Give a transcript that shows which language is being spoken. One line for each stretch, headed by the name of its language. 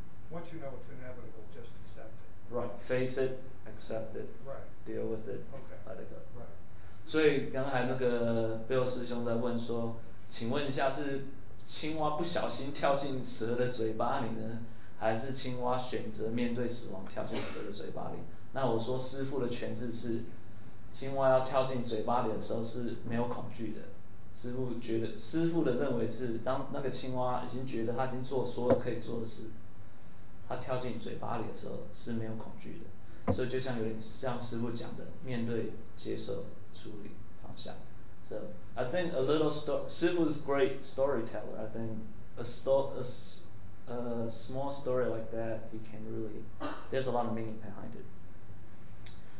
English: once you know it's inevitable, just accept it. Right. Face it, accept it. Right. Deal with it. Okay. Let it go. Right.
Chinese: 所以刚才那个 Bill 师兄在问说 请问一下是青蛙不小心跳进蛇的嘴巴里呢，还是青蛋选择面对死亡跳进蛇的嘴巴里？那我说师父的诠释是，青蛋要跳进嘴巴里的时候是没有恐惧的。师父觉得，师父的认为是，当那个青蛋已经觉得他已经做所有可以做的事，他跳进嘴巴里的时候是没有恐惧的。所以就像有点像师父讲的，面对、接受、处理、放下。
English: So I think a little Sifu is great storyteller. I think a small story like that, he can really, there's a lot of meaning behind it.